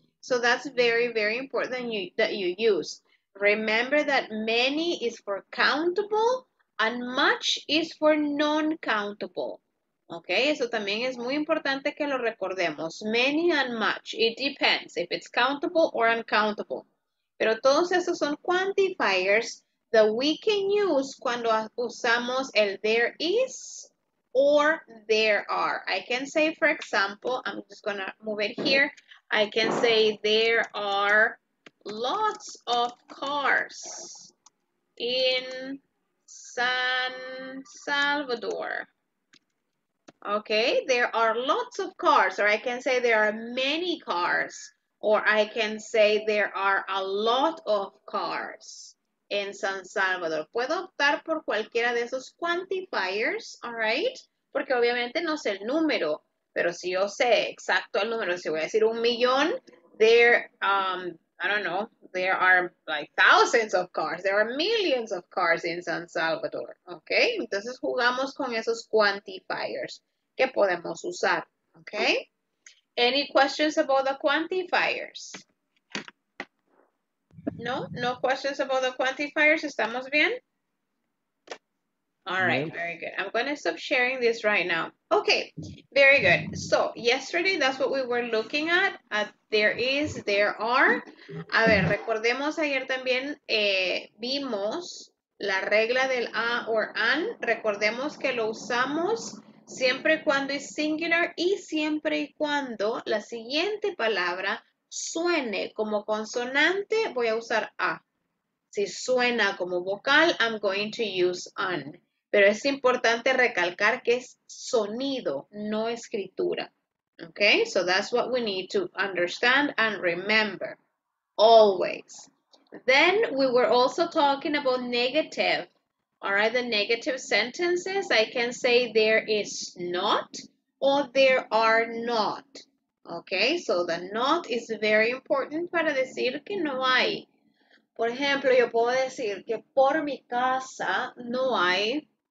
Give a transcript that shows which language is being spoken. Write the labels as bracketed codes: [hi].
[en] So that's very, very important that you use. Remember that many is for countable and much is for non-countable, okay? [es] Eso también es muy importante que lo recordemos. [en] Many and much, it depends if it's countable or uncountable. [es] Pero todos esos son quantifiers [en] that we can use [es] cuando usamos el there is, or there are. [en] I can say, for example, I'm just gonna move it here. I can say there are lots of cars in San Salvador. Okay, there are lots of cars, or I can say there are many cars, or I can say there are a lot of cars in San Salvador. [es] Puedo optar por cualquiera de esos quantifiers, all right? Porque obviamente no sé el número, pero si yo sé exacto el número, si voy a decir un millón, [en] there, I don't know, there are like thousands of cars, there are millions of cars in San Salvador, [es] okay? Entonces jugamos con esos quantifiers que podemos usar, okay? [en] Any questions about the quantifiers? No, no questions about the quantifiers, [es] ¿estamos bien? [en] All right, very good. I'm going to stop sharing this right now. Okay, very good. So, yesterday, that's what we were looking at. There is, there are. [es] A ver, recordemos ayer también, vimos la regla del a or an. Recordemos que lo usamos siempre cuando es singular y siempre y cuando la siguiente palabra suene como consonante, voy a usar a. Si suena como vocal, [en] I'm going to use an. [es] Pero es importante recalcar que es sonido, no escritura. [en] Okay, so that's what we need to understand and remember, always. Then we were also talking about negative. All right, the negative sentences, I can say there is not or there are not. Okay, so the not is very important [es] para decir que no hay. Por ejemplo, yo puedo decir que por mi casa no hay.